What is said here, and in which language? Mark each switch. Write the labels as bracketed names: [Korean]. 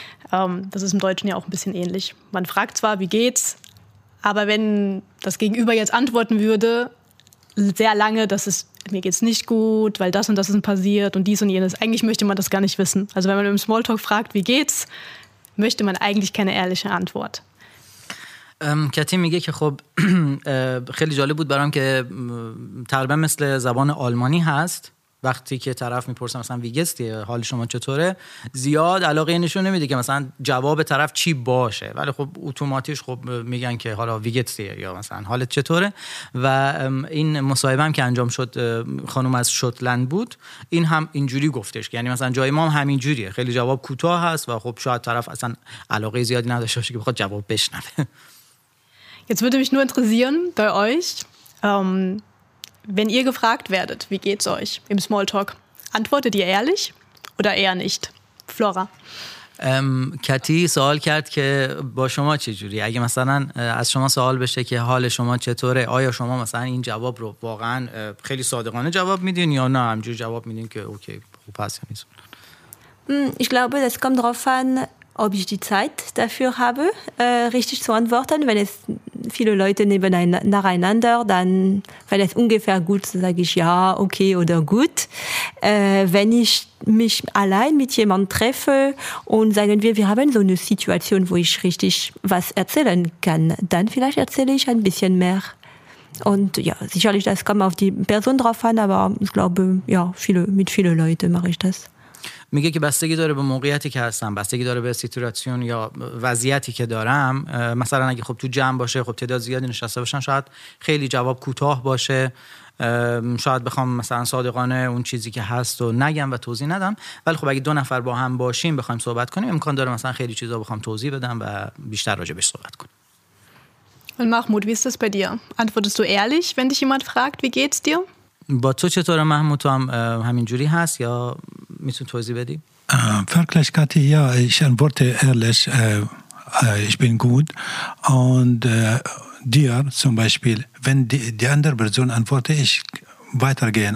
[German] Das ist im Deutschen ja auch ein bisschen ähnlich. Man fragt zwar, wie geht's, aber wenn das Gegenüber jetzt antworten würde, sehr lange, dass es mir geht's nicht gut, weil das und das ist passiert und dies und jenes. Eigentlich möchte man das gar nicht wissen. Also wenn man im Smalltalk fragt, wie geht's, möchte man eigentlich keine ehrliche Antwort. [Persian] کتی میگه که خب خیلی جالب بود برام که تقریبا مثل زبان آلمانی هست. وقتی که طرف میپرسه مثلا [German] وی گتس دی، [Persian] حال شما چطوره، زیاد علاقه نشون نمیده که مثلا جواب طرف چی باشه، ولی خب اتوماتیش خب میگن که حالا وی گتس دی یا مثلا حالت چطوره. و این مصاحبه هم که انجام شد، خانم از شوتلند بود، این هم اینجوری گفتش، یعنی مثلا جای ما هم همین جوریه، خیلی جواب کوتاه هست و خب شاید طرف اصلا علاقه زیادی نداشته باشه که بخواد جواب بشنوه. [German] Jetzt würde mich nur interessieren bei euch, wenn ihr gefragt werdet, wie geht's euch im Smalltalk, antwortet ihr ehrlich oder eher nicht? Flora. [Persian] کتی سوال کرد که با شما چه جوری، اگه مثلا از شما سوال بشه که حال شما چطوره، آیا شما مثلا این جواب رو واقعا خیلی صادقانه جواب میدین یا نه همجور جواب میدین که اوکی خوب پس یا نیست؟ [German] Ich glaube, das kommt darauf an, ob ich die Zeit dafür habe, richtig zu antworten. Wenn es viele Leute nacheinander, dann, wenn es ungefähr gut ist, sage ich ja, okay oder gut. Wenn ich mich allein mit jemandem treffe und sagen wir haben so eine Situation, wo ich richtig was erzählen kann, dann vielleicht erzähle ich ein bisschen mehr. Und ja, sicherlich, das kommt auf die Person drauf an, aber ich glaube, ja, mit vielen Leuten mache ich das. [Persian] میگه که بستگی داره به موقعیتی که هستم، بستگی داره به سیتواسیون یا وضعیتی که دارم. مثلا اگه خب تو جمع باشه، خب تعداد زیادی نشسته باشن، شاید خیلی جواب کوتاه باشه، شاید بخوام مثلا صادقانه اون چیزی که هست و نگم و توضیح ندم، ولی خب اگه دو نفر با هم باشیم بخوایم صحبت کنیم، امکان داره مثلا خیلی چیزا بخوام توضیح بدم و بیشتر راجعش صحبت کنم. [German] Und Mahmoud, wie ist das bei dir? Antwortest du ehrlich, wenn dich jemand fragt, wie geht's dir? Bei dir, Herr Mahmoud, hast du das gleiche oder kannst du das gleiche sagen? Wirklich, Kathi, ja, ich antworte ehrlich. Ich bin gut. Und dir zum Beispiel, wenn die andere Person antwortet, ich weitergehen.